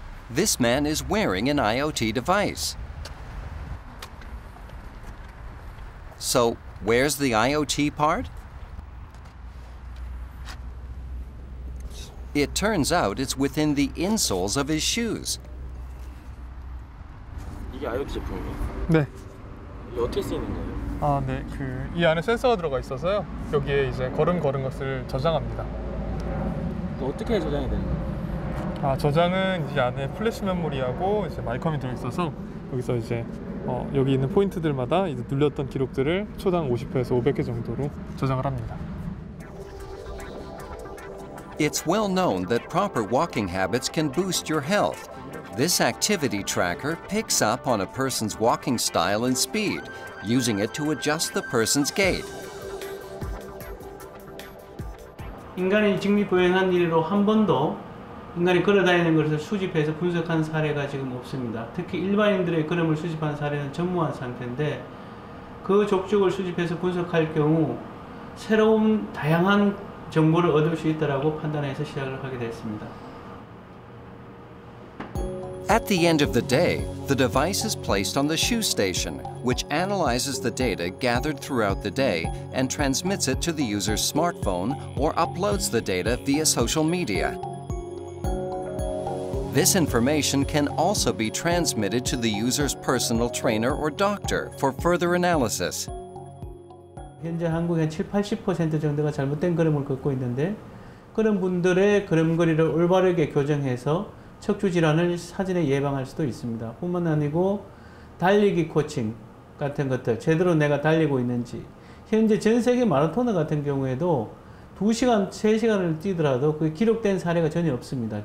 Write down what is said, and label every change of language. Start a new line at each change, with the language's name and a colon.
English: This man is wearing an IoT device. So, where's the IoT part? It turns out it's within the insoles of his shoes.
Korean: 이게 IoT 제품이에요? 네. 이게 어떻게 쓰이는 거예요? 아, 네. 그 이 안에 센서가 들어가 있어서요. 여기에 이제 걸음 걸은 것을 저장합니다. 어떻게 저장이 되는 거예요? 아, 저장은 이 안에 플래시 메모리하고 이제 마이컴이 들어 있어서 여기서 이제 여기 있는 포인트들마다 이제 눌렸던 기록들을 초당 50회에서 500회 정도로 저장을 합니다.
English: It's well known that proper walking habits can boost your health. This activity tracker picks up on a person's walking style and speed, using it to adjust the person's gait.
Korean: 인간이 직립보행한 이래로 한 번도 인간이 걸어다니는 것을 수집해서 분석한 사례가 지금 없습니다. 특히 일반인들의 걸음을 수집한 사례는 전무한 상태인데 그 족족을 수집해서 분석할 경우 새로운 다양한 정보를 얻을 수 있다고 판단해서 시작을 하게 됐습니다.
English: At the end of the day, the device is placed on the shoe station, which analyzes the data gathered throughout the day and transmits it to the user's smartphone or uploads the data via social media. This information can also be transmitted to the user's personal trainer or doctor for further analysis.
Korean: 현재 한국에 70-80% 정도가 잘못된 걸음을 걷고 있는데 그런 분들의 걸음걸이를 올바르게 교정해서 척추 질환을 사전에 예방할 수도 있습니다. 뿐만 아니고 달리기 코칭 같은 것들, 제대로 내가 달리고 있는지 현재 전 세계 마라토너 같은 경우에도 2시간, 3시간을 뛰더라도 그 기록된 사례가 전혀 없습니다.